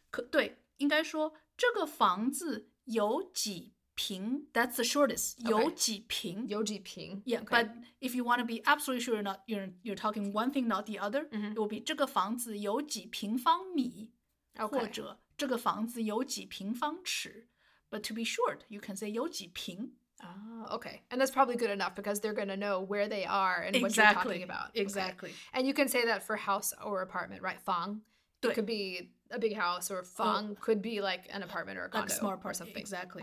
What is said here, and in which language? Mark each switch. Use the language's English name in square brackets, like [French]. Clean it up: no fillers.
[Chinese] 对,应该说这个房子有几平. [English] That's the shortest. Okay. [Chinese] 有几平. 有几平. [English] Yeah, okay. But if you want to be absolutely sure you're talking one thing, not the other, it will be [Chinese] 这个房子有几平方米. [English] Okay. [Chinese] 或者这个房子有几平方尺. [English] But to be short, you can say [Chinese] 有几平. [English] Okay. And that's probably good enough because they're going to know where they are and exactly. what you're talking about. Exactly. Okay. And you can say that for house or apartment, right? 房. It could be a big house or fang could be like an apartment or a condo. Like a smart apartment. Or something. Exactly.